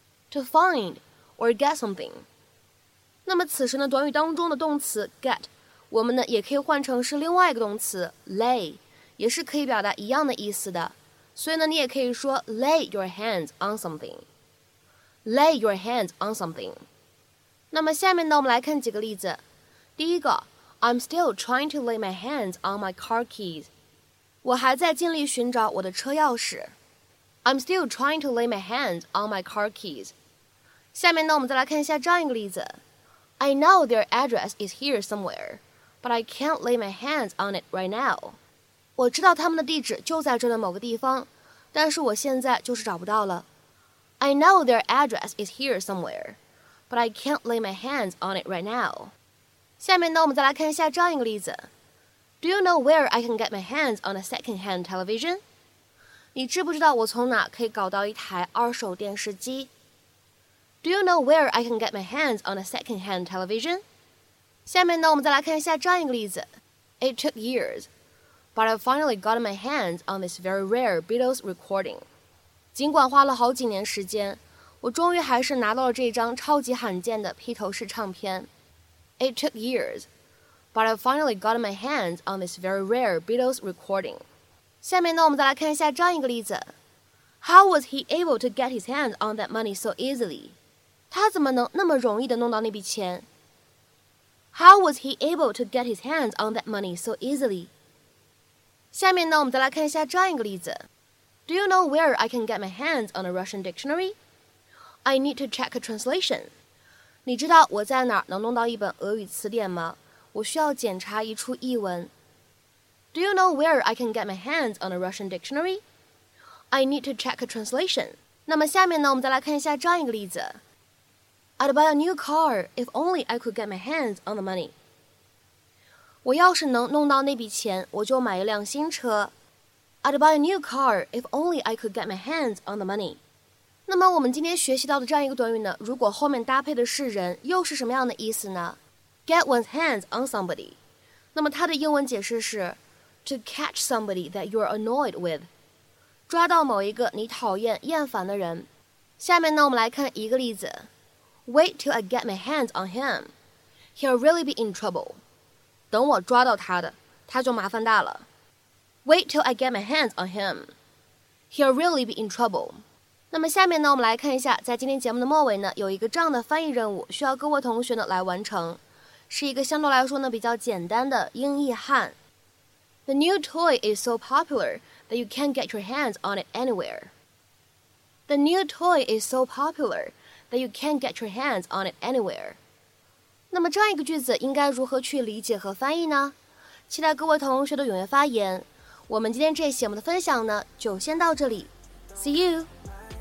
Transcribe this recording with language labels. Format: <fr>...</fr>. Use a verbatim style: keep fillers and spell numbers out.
<en>to find or get something。</en> <zh>那么此时呢短语当中的动词 get， 我们呢也可以换成是另外一个动词 lay， 也是可以表达一样的意思的，所以呢你也可以说</zh> <en>lay your hands on something</en> <zh>lay your hands on something。那么下面呢我们来看几个例子。第一个</zh> <en>I'm still trying to lay my hands on my car keys.</en> <zh>我还在尽力寻找我的车钥匙。</zh> <en>I'm still trying to lay my hands on my car keys.</en> <zh>下面呢，我们再来看一下这样一个例子。</zh> <en>I know their address is here somewhere, but I can't lay my hands on it right now.</en> <zh>我知道他们的地址就在这的某个地方，但是我现在就是找不到了。</zh> <en>I know their address is here somewhere, but I can't lay my hands on it right now.</en> <zh>下面呢，我们再来看一下这样一个例子。</zh> <en>Do you know where I can get my hands on a second-hand television?</en> <zh>你知不知道我从哪可以搞到一台二手电视机？</zh> <en>Do you know where I can get my hands on a second-hand television?</en> <zh>下面呢，我们再来看一下这样一个例子。</zh> <en>It took years, but I finally got my hands on this very rare Beatles recording.</en> <zh>尽管花了好几年时间，我终于还是拿到了这张超级罕见的披头士唱片。</zh> <en>It took years. But I finally got my hands on this very rare Beatles recording.</en> <zh>下面呢，我们再来看一下这样一个例子。</zh> <en>How was he able to get his hands on that money so easily?</en> <zh>他怎么能那么容易的弄到那笔钱 ？</zh> <en>How was he able to get his hands on that money so easily?</en> <zh>下面呢，我们再来看一下这样一个例子。</zh> <en>Do you know where I can get my hands on a Russian dictionary? I need to check a translation.</en> <zh>你知道我在哪儿能弄到一本俄语词典吗？我需要检查一处译文。</zh> <en>Do you know where I can get my hands on a Russian dictionary? I need to check a translation.</en> <zh>那么下面呢，我们再来看一下这样一个例子。</zh> <en>I'd buy a new car if only I could get my hands on the money.</en> <zh>我要是能弄到那笔钱，我就买一辆新车。</zh> <en>I'd buy a new car if only I could get my hands on the money.</en> <zh>那么我们今天学习到的这样一个短语呢，如果后面搭配的是人，又是什么样的意思呢？</zh> <en>Get one's hands on somebody.</en> <zh>那么它的英文解释是</zh> <en>to catch somebody that you're annoyed with.</en> <zh>抓到某一个你讨厌厌烦的人。下面呢，我们来看一个例子。</zh> <en>Wait till I get my hands on him. He'll really be in trouble.</en> <zh>等我抓到他的，他就麻烦大了。</zh> <en>Wait till I get my hands on him. He'll really be in trouble.</en> <zh>那么下面呢，我们来看一下，在今天节目的末尾呢，有一个这样的翻译任务，需要各位同学呢来完成。是一个相对来说呢比较简单的英译汉。</zh> <en>The new toy is so popular that you can't get your hands on it anywhere. The new toy is so popular that you can't get your hands on it anywhere.</en> <zh>那么这样一个句子应该如何去理解和翻译呢？期待各位同学的踊跃发言。我们今天这一期节目的分享呢就先到这里。</zh> <en>See you!</en>